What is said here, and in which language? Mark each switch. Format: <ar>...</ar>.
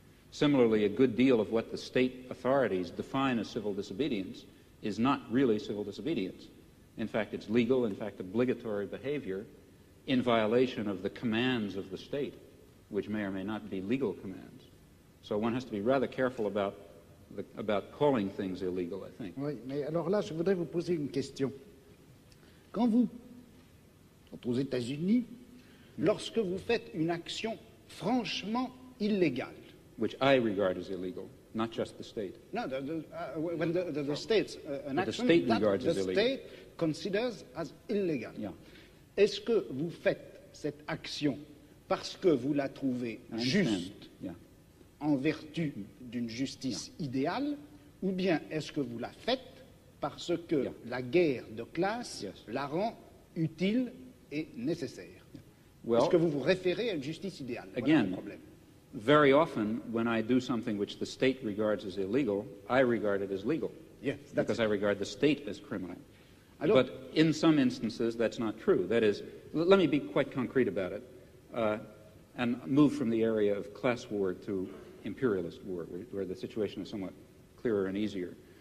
<en>Similarly, a good deal of what the state authorities define as civil disobedience is not really civil disobedience. In fact, it's legal, in fact, obligatory behavior in violation of the commands of the state, which may or may not be legal commands. So one has to be rather careful about calling things illegal, I think.</en> <fr>Oui, mais alors là, je voudrais vous poser une question. Quand vous, aux États-Unis, lorsque vous faites une action franchement illégale,</fr> <en>which I regard as illegal, not just the state. No, the state considers as illegal. Yeah.</en> <fr>Est-ce que vous faites cette action parce que vous la trouvez juste en vertu d'une justice idéale, ou bien est-ce que vous la faites parce que la guerre de classe la rend utile et nécessaire?</fr> <en>Well,</en> <fr>est-ce que vous vous référez à une justice idéale?</fr> <en>Again,</en> <fr>voilà le problème.</fr> <en>Very often, when I do something which the state regards as illegal, I regard it as legal. Yes, because it. I regard the state as criminal. But in some instances, that's not true. That is, let me be quite concrete about it and move from the area of class war to imperialist war, where the situation is somewhat clearer and easier.</en>